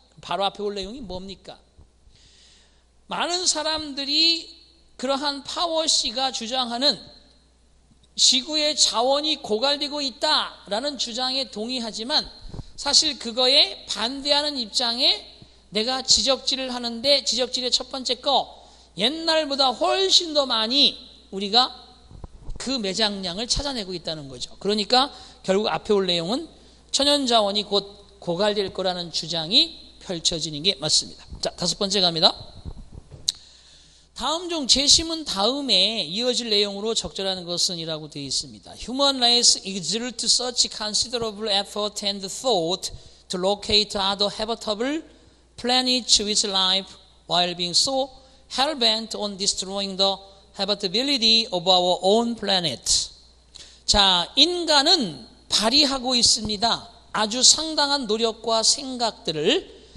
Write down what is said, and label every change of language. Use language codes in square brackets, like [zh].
[ko] 바로 앞에 올 내용이 뭡니까? 많은 사람들이 그러한 파워 씨가 주장하는 지구의 자원이 고갈되고 있다라는 주장에 동의하지만 사실 그거에 반대하는 입장에 내가 지적질을 하는데 지적질의 첫 번째 거 옛날보다 훨씬 더 많이 우리가 그 매장량을 찾아내고 있다는 거죠. 그러니까 결국 앞에 올 내용은 천연자원이 곧 고갈될 거라는 주장이 펼쳐지는 게 맞습니다. 자, 다섯 번째 갑니다. 다음 중 재심은 다음에 이어질 내용으로 적절한 것은 이라고 되어 있습니다. [en] Human race exert such considerable effort and thought to locate other habitable planets with life while being so hell-bent on destroying the habitability of our own planet. [ko] 자, 인간은 발휘하고 있습니다. 아주 상당한 노력과 생각들을